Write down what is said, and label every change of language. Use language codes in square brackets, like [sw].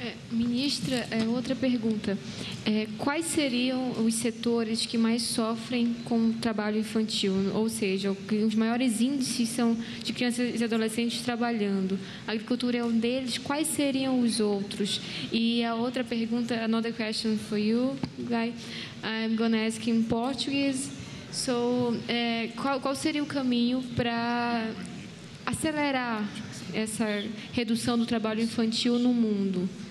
[pt] Ministra, outra pergunta. Quais seriam os setores que mais sofrem com o trabalho infantil? Ou seja, os maiores índices são de crianças e adolescentes trabalhando. A agricultura é um deles, quais seriam os outros? E a outra pergunta, [en] another question for you, Guy. I'm going to ask in Portuguese. [pt] So, qual seria o caminho para acelerar essa redução do trabalho infantil no mundo?